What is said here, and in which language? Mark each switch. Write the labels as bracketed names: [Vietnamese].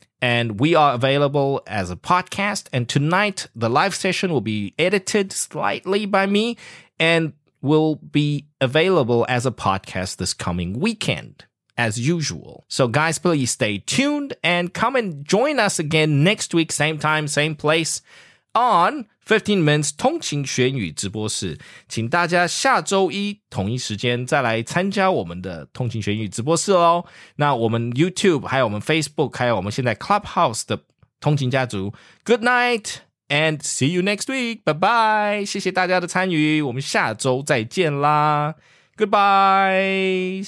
[English] And we are available as a podcast. And tonight, the live session will be edited slightly by me and will be available as a podcast this coming weekend, as usual. So guys, please stay tuned and come and join us again next week, same time, same place, on 15 Minutes 通勤学语直播室. [Chinese] 请大家下周一同一时间再来参加我们的通勤学语直播室哦。那我们YouTube 还有我们Facebook 还有我们现在Clubhouse的通勤家族. [English] Good night and see you next week. Bye bye. [Chinese] 谢谢大家的参与，我们下周再见啦。 Goodbye.